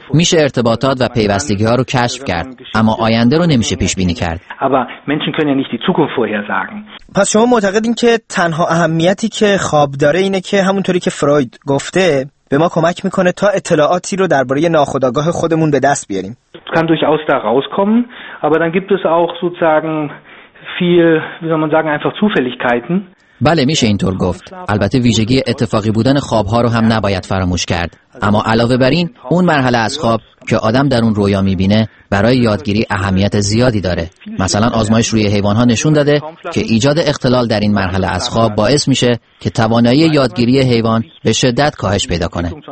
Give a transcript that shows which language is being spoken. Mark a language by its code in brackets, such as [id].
[fa] میشه ارتباطات و پیوستگی ها رو کشف کرد، اما آینده رو نمیشه پیش بینی کرد. پس شما معتقدین که تنها اهمیتی که خواب داره اینه که همونطوری که فروید گفته به ما کمک میکنه تا اطلاعاتی رو درباره ناخودآگاه خودمون به دست بیاریم. [de] kann durchaus da rauskommen, aber dann gibt es auch sozusagen viel, wie soll man sagen, einfach Zufälligkeiten. [fa] بله، میشه اینطور گفت. البته ویژگی اتفاقی بودن خوابها رو هم نباید فراموش کرد، اما علاوه بر این اون مرحله از خواب که آدم در اون رویا میبینه برای یادگیری اهمیت زیادی داره. مثلا آزمایش روی حیوانها نشون داده که ایجاد اختلال در این مرحله از خواب باعث میشه که توانایی یادگیری حیوان به شدت کاهش پیدا کنه.